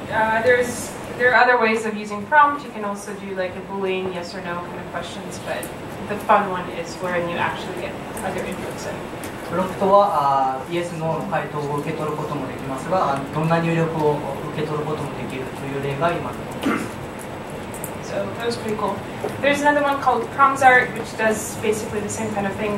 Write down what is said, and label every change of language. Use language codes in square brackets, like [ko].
[en] So there are other ways of using prompt. You can also do like a Boolean yes or no kind of questions, but the fun one is when you actually get other inputs in. [ja] プロンプトはイエス・ノーの回答を受け取ることもできますが、どんな入力を受け取ることもできるという例が今。So [en] that was pretty cool. There's another one called PromptArt, which does basically the same kind of thing.